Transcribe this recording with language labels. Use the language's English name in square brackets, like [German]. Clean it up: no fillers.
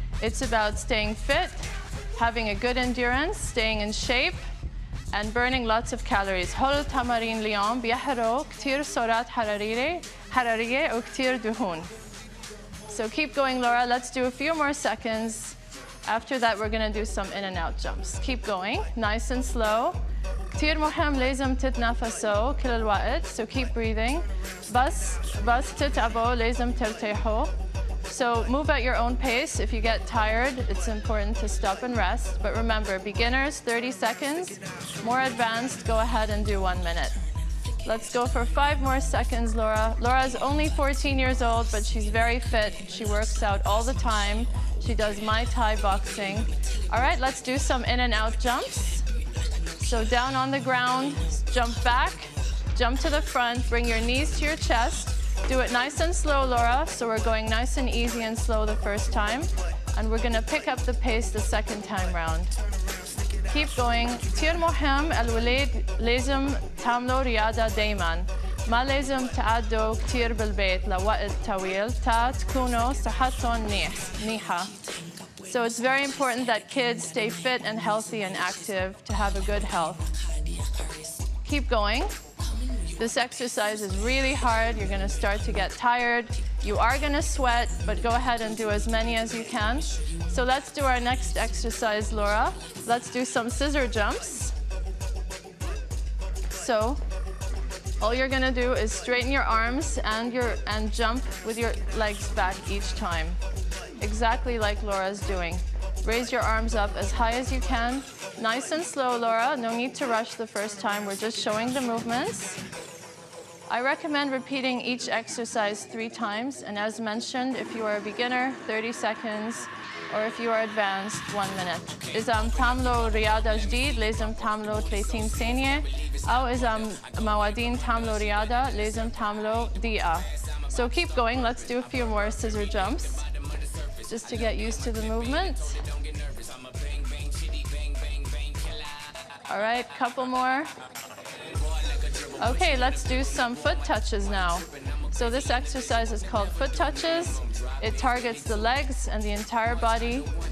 [English] It's about staying fit, having a good endurance, staying in shape, and burning lots of calories. [Arabic] Hol tamarin liom biyahro ktir sorat harariye u ktir duhun. [English] So keep going, Laura. Let's do a few more seconds. After that, we're gonna do some in and out jumps. Keep going, nice and slow. [Arabic] كتير مهم لازم تتنفسوا كل الوقت, [English] so keep breathing. [Arabic] بس تتعبوا لازم ترتاحوا. [English] So move at your own pace. If you get tired, it's important to stop and rest. But remember, beginners, 30 seconds. More advanced, go ahead and do 1 minute. Let's go for 5 more seconds, Laura. Laura's only 14 years old, but she's very fit. She works out all the time. She does Muay Thai boxing. All right, let's do some in and out jumps. So down on the ground, jump back, jump to the front, bring your knees to your chest. Do it nice and slow, Laura. So we're going nice and easy and slow the first time. And we're gonna pick up the pace the second time round. Keep going. [Arabic] كتير مهم الولاد لازم تعملوا رياضة دايما. ما لازم تعدوا كتير بالبيت لوقت طويل تا تكونوا صحتهم منيحة. [English] So it's very important that kids stay fit and healthy and active to have a good health. Keep going. This exercise is really hard. You're gonna start to get tired. You are gonna sweat, but go ahead and do as many as you can. So let's do our next exercise, Laura. Let's do some scissor jumps. So all you're gonna do is straighten your arms and jump with your legs back each time. Exactly like Laura's doing. Raise your arms up as high as you can. Nice and slow, Laura. No need to rush the first time. We're just showing the movements. I recommend repeating each exercise 3 times. And as mentioned, if you are a beginner, 30 seconds. Or if you are advanced, 1 minute. [Arabic] إذا تعملوا رياضة جديد, لازم تعملوا 30 ثانية. أو إذا موادين تعملوا رياضة, لازم تعملوا دقيقة. [English] So keep going. Let's do a few more scissor jumps. Just to get used to the movement. All right, couple more. Okay, let's do some foot touches now. So this exercise is called foot touches. It targets the legs and the entire body.